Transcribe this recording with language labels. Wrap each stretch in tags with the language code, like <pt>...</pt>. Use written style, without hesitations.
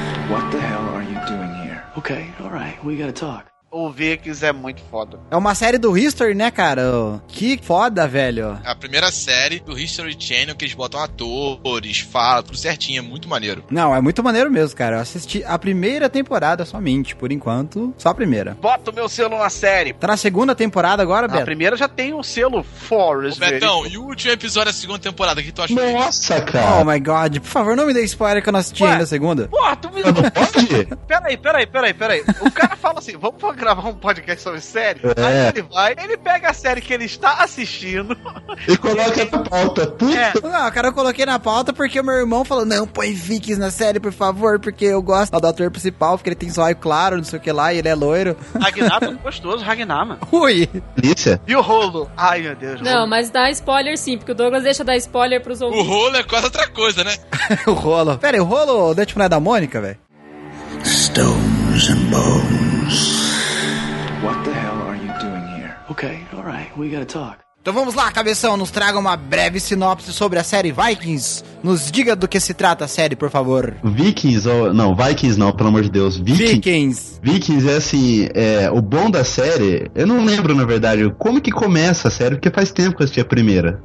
<en>What the hell are you doing here? Okay, all right, we gotta talk.</en> <pt>O Vikings é muito foda. É uma série do History, né, cara? Que foda, velho. É a primeira série do History Channel que eles botam atores, fala, tudo certinho, é muito maneiro. Não, é muito maneiro mesmo, cara. Eu assisti a primeira temporada somente, por enquanto, só a primeira. Bota o meu selo na série. Tá na segunda temporada agora, Beto? A primeira já tem o selo Forest. Ô, Betão, e o último episódio da segunda temporada, o que tu acha? Nossa, cara.</pt> <en>Oh, my God.</en> <pt>Por favor, não me dê spoiler que eu não assisti ainda a segunda. Porra, tu me... Não pode? Peraí. O cara fala assim, vamos pra gravar um podcast sobre série, aí ele vai, ele pega a série que ele está assistindo e coloca na pauta. Puta. É. Não, cara, eu coloquei na pauta porque o meu irmão falou, não, põe Vikings na série, por favor, porque eu gosto do ator principal, porque ele tem zóio claro, não sei o que lá, e ele é loiro. Ragnar, gostoso, Ragnar, mano. Ui. Delícia. E o rolo? Ai, meu Deus. Não, rolo. Mas dá spoiler sim, porque o Douglas deixa dar spoiler pros ouvintes. O rolo é quase outra coisa, né? O rolo. Pera aí, o rolo, o Dutch não é da Mônica, velho?</pt> <en>Stones and bones. What the hell are you doing here? Okay, all right, we gotta talk.</en> <pt>Então vamos lá, cabeção, nos traga uma breve sinopse sobre a série Vikings. Nos diga do que se trata a série, por favor. Vikings, ou... Não, Vikings não, pelo amor de Deus. Vikings. Vikings é assim, o bom da série... Eu não lembro, na verdade, como que começa a série, porque faz tempo que eu assisti a primeira.</pt>